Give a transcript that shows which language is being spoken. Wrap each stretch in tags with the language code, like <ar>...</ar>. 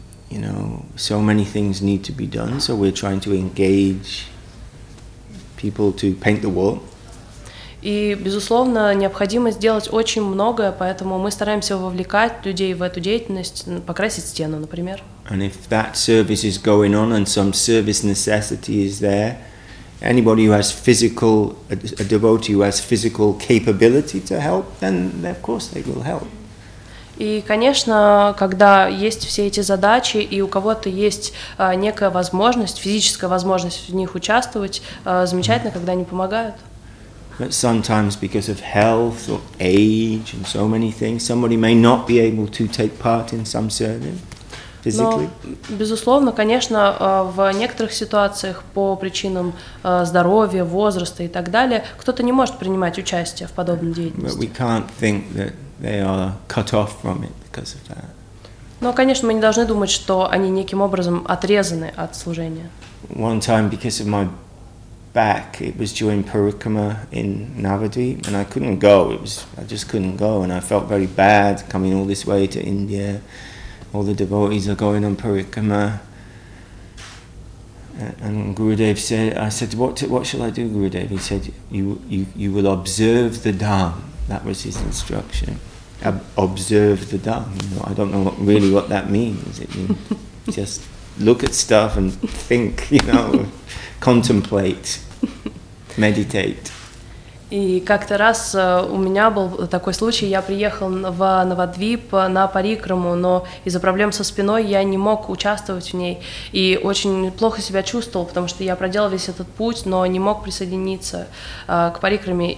<en>You know, so many things need to be done, so we're trying to engage people to paint the wall.</en> <ru>И, безусловно, необходимо сделать очень многое, поэтому мы стараемся вовлекать людей в эту деятельность, покрасить стену, например.</ru> <en>And if that service is going on and some service necessity is there, anybody who has physical, a devotee who has physical capability to help, then of course they will help.</en> <ru>И, конечно, когда есть все эти задачи, и у кого-то есть некая возможность, физическая возможность в них участвовать, замечательно, когда они помогают.</ru> <en>But sometimes because of health or age and so many things, somebody may not be able to take part in some service.</en> <ru>Но, безусловно, конечно, в некоторых ситуациях по причинам здоровья, возраста и так далее, кто-то не может принимать участие в подобной деятельности. Но, конечно, мы не должны думать, что они неким образом отрезаны от служения.</ru> <en>One time because of my back, it was during Parikrama in Navadvip, and I couldn't go. I just couldn't go, and I felt very bad coming all this way to India. All the devotees are going on parikrama, and Gurudev said, "I said, what shall I do, Gurudev?" He said, "You will observe the Dham." That was his instruction. Observe the Dham. You know, I don't know what that means. It means just look at stuff and think, you know, contemplate, meditate.</en> <ru>И как-то раз у меня был такой случай, я приехал в Навадвип на парикраму, но из-за проблем со спиной я не мог участвовать в ней и очень плохо себя чувствовал, потому что я проделал весь этот путь, но не мог присоединиться к парикраме.</ru>